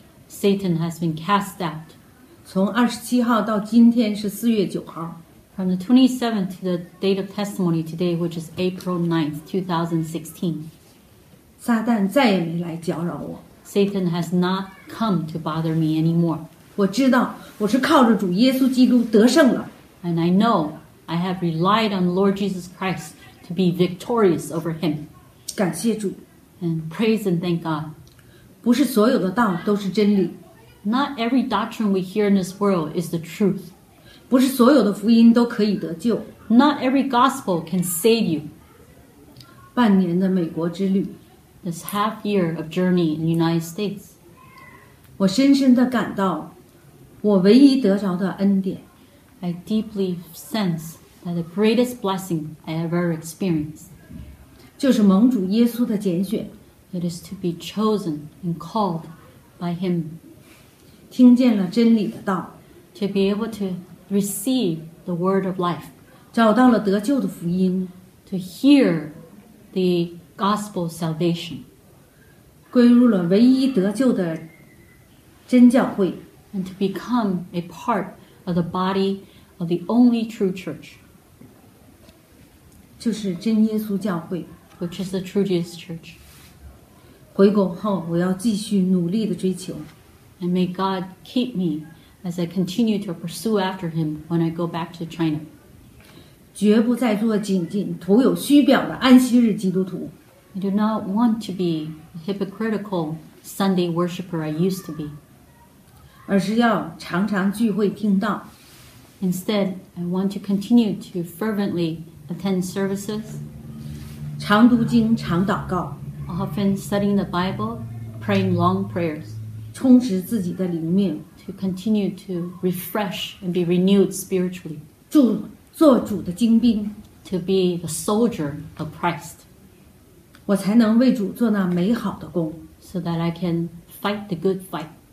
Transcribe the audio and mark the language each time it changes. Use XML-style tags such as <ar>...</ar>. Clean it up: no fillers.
<en>Satan has been cast out.</en> <zh>从27号到今天是4月9号。</zh> <en>From the 27th to the date of testimony today, which is April 9th, 2016.</en> <zh>撒旦再也没来搅扰我。</zh> <en>Satan has not come to bother me anymore.</en> <zh>我知道我是靠着主耶稣基督得胜了。</zh> <en>And I know I have relied on Lord Jesus Christ to be victorious over him.</en> <zh>感谢主。</zh> <en>And praise and thank God.</en> <zh>不是所有的道都是真理。</zh> <en>Not every doctrine we hear in this world is the truth.</en> <zh>不是所有的福音都可以得救。</zh> <en>Not every gospel can save you.</en> <zh>半年的美国之旅。</zh> <en>This half year of journey in the United States.</en> <zh>我深深地感到我唯一得着的恩典。</zh> <en>I deeply sense that the greatest blessing I ever experienced.</en> <zh>就是蒙主耶稣的拣选。</zh> <en>It is to be chosen and called by him.</en> <zh>听见了真理的道。</zh> <en>To be able to receive the word of life.</en> <zh>找到了得救的福音。</zh> <en>To hear the gospel salvation.</en> <zh>归入了唯一得救的真教会。</zh> <en>And to become a part of the body of the only true church.</en> <zh>就是真耶稣教会。</zh> <en>Which is the true Jesus church.</en> <zh>回国后我要继续努力地追求。</zh> <en>And may God keep me as I continue to pursue after him when I go back to China.</en> <zh>绝不再做仅仅徒有虚表的安息日基督徒。</zh> <en>I do not want to be a hypocritical Sunday worshiper I used to be.</en> <zh>而是要常常聚会听道。</zh> <en>Instead, I want to continue to fervently attend services.</en> <zh>常读经常祷告。</zh> <en>Often studying the Bible, praying long prayers,</en> <zh>充实自己的灵面</zh> <en>to continue to refresh and be renewed spiritually,</en> <zh>做主的精兵</zh> <en>to be the soldier of Christ,</en> <zh>我才能为主做那美好的工</zh> <en>so that I can fight the good fight.</en>